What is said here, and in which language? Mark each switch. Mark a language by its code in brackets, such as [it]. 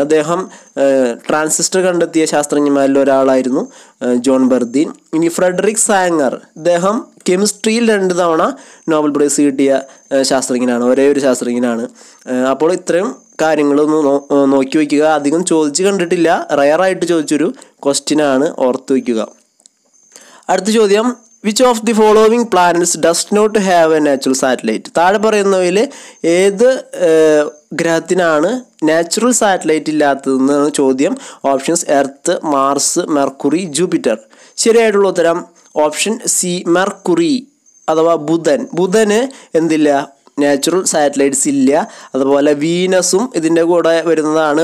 [ml] അദ്ദേഹം ട്രാൻസിസ്റ്റർ കണ്ടെത്തിയ ശാസ്ത്രജ്ഞന്മാരിൽ ഒരാളായിരുന്നു ജോൺ ബെർദീൻ. ഇനി ഫ്രെഡറിക് സാംഗർ, അദ്ദേഹം കെമിസ്ട്രിയിൽ രണ്ട് തവണ നോബൽ പ്രൈസ് കിട്ടിയ ശാസ്ത്രജ്ഞനാണ്, ഒരേ ഒരു ശാസ്ത്രജ്ഞനാണ്. അപ്പോൾ ഇത്രയും കാര്യങ്ങളൊന്ന് നോക്കി വയ്ക്കുക. അധികം ചോദിച്ച് കണ്ടിട്ടില്ല, റയറായിട്ട് ചോദിച്ചൊരു ക്വസ്റ്റ്യൻ ആണ്, ഓർത്ത് വയ്ക്കുക. അടുത്ത ചോദ്യം, [en] Which of the following planets does not have a natural satellite? [ml] താഴെ പറയുന്നവയിൽ ഏത് ഗ്രഹത്തിനാണ് നാച്ചുറൽ സാറ്റലൈറ്റ് ഇല്ലാത്തതെന്നാണ് ചോദ്യം. Options earth, Mars, mercury, Jupiter. ശരിയായിട്ടുള്ള ഉത്തരം ഓപ്ഷൻ സി, മെർക്കുറി അഥവാ ബുധൻ. ബുധന് എന്തില്ല, നാച്ചുറൽ സാറ്റലൈറ്റ്സ് ഇല്ല. അതുപോലെ വീനസും ഇതിൻ്റെ കൂടെ വരുന്നതാണ്.